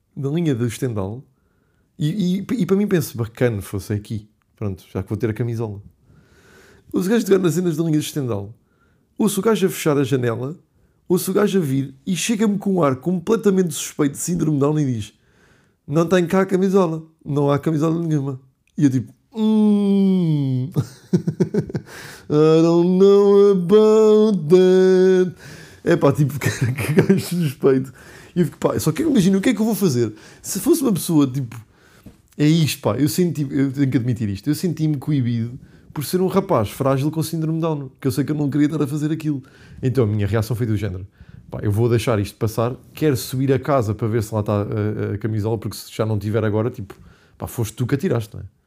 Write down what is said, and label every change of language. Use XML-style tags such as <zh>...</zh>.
<pt>Da linha do estendal. E para mim penso: Bacana, fosse aqui. Pronto, já que vou ter a camisola. Ouço o gajo tocar nas cenas da linha de estendal. Ouço o gajo a fechar a janela. Ouço o gajo a vir e chega-me com um ar completamente suspeito de síndrome de Down e diz: não tenho cá a camisola, não há camisola nenhuma. E eu tipo,</pt> <en>I don't know about that.</en> <pt>É pá, tipo, que gajo suspeito. E eu fico, pá, só que imagino, o que é que eu vou fazer? Se fosse uma pessoa, tipo, é isto, pá, eu senti, eu tenho que admitir isto, eu senti-me coibido por ser um rapaz frágil com síndrome de Down, que eu sei que eu não queria estar a fazer aquilo. Então a minha reação foi do género, pá, eu vou deixar isto passar, quero subir a casa para ver se lá está a camisola, porque se já não tiver agora, tipo, pá, foste tu que a tiraste, não é?</pt>